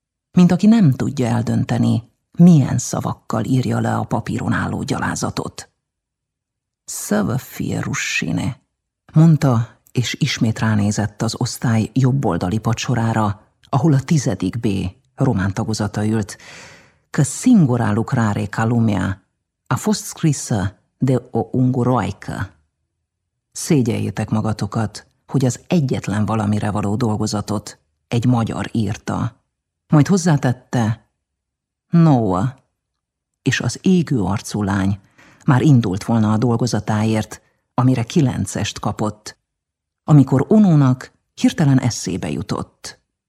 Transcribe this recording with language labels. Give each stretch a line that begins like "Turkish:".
Hungarian: Mint aki nem tudja eldönteni, milyen szavakkal írja le a papíron álló gyalázatot.
Romanian: Szava fieruscine,
Hungarian: mondta, és ismét ránézett az osztály jobboldali pacsorára, ahol a 10. B román tagozata ült.
Romanian: Că singura lucrare ca lumea a fost scrisă de o unguroaică.
Hungarian: Szégyeljétek magatokat, hogy az egyetlen valamire való dolgozatot egy magyar írta. Majd hozzátette, Noa, és az égő arcú lány már indult volna a dolgozatáért, amire 9-est kapott, amikor Unónak hirtelen eszébe jutott.